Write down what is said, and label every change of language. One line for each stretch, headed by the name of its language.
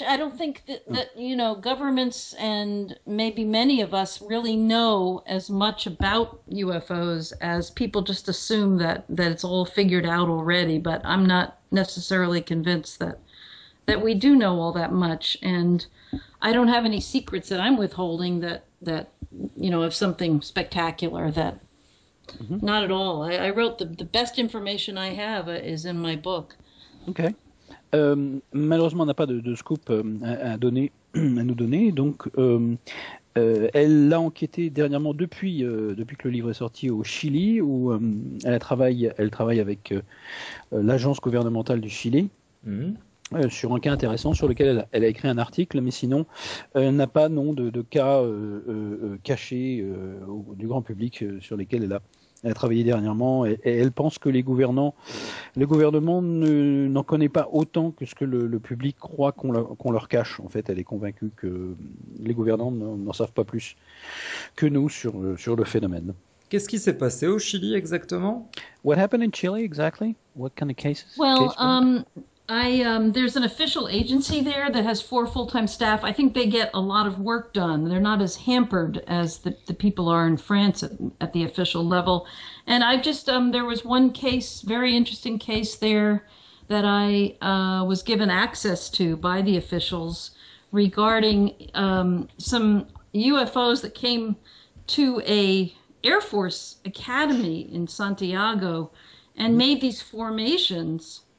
English: I don't think that you know, governments and maybe many of us really know as much about UFOs as people just assume that it's all figured out already. But I'm not necessarily convinced that we do know all that much. And I don't have any secrets that I'm withholding that you know, of something spectacular that not at all. I wrote the best information I have is in my book. Okay.
French: Malheureusement, on n'a pas de scoop à nous donner. Donc, elle a enquêté dernièrement depuis que le livre est sorti au Chili, où elle travaille avec l'agence gouvernementale du Chili sur un cas intéressant sur lequel elle a écrit un article. Mais sinon, elle n'a pas non de cas cachés du grand public sur lesquels elle a travaillé dernièrement, et elle pense que le gouvernement n'en connaît pas autant que ce que le public croit qu'on leur cache. En fait, elle est convaincue que les gouvernants n'en savent pas plus que nous sur le phénomène. Qu'est-ce qui s'est passé au Chili exactement?
English: What happened in Chile exactly? What kind of cases? Well, there's an official agency there that has 4 full-time staff. I think they get a lot of work done. They're not as hampered as the people are in France at the official level. And I've just, there was one case, very interesting case there that I was given access to by the officials regarding some UFOs that came to a Air Force Academy in Santiago and made these formations.